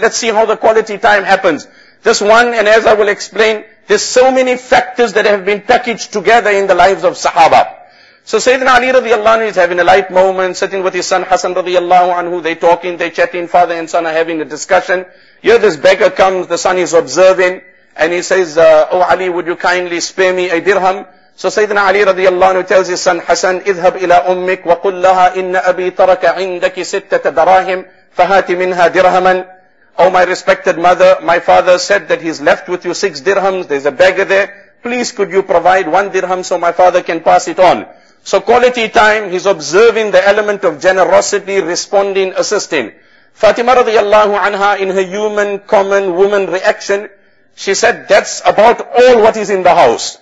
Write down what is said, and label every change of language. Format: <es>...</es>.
<en>Let's see how the quality time happens. This one, and as I will explain, there's so many factors that have been packaged together in the lives of Sahaba. So Sayyidina Ali رَضِيَ اللَّهُ عَنْهُ is having a light moment, sitting with his son Hassan رَضِيَ اللَّهُ عَنْهُ. They're talking, they're chatting, father and son are having a discussion. Here this beggar comes, the son is observing, and he says, oh Ali, would you kindly spare me a dirham? So Sayyidina Ali radiallahu anhu tells his son Hassan,</en> <ar>اذهب إلى أمك وقل لها إن أبي ترك عندك ستة دراهم فهات منها درهما.</ar> <en>Oh my respected mother, my father said that he's left with you 6 dirhams, there's a beggar there. Please could you provide 1 dirham so my father can pass it on. So quality time, he's observing the element of generosity, responding, assisting. Fatima radiallahu anha, in her human, common woman reaction, she said, that's about all what is in the house.</en>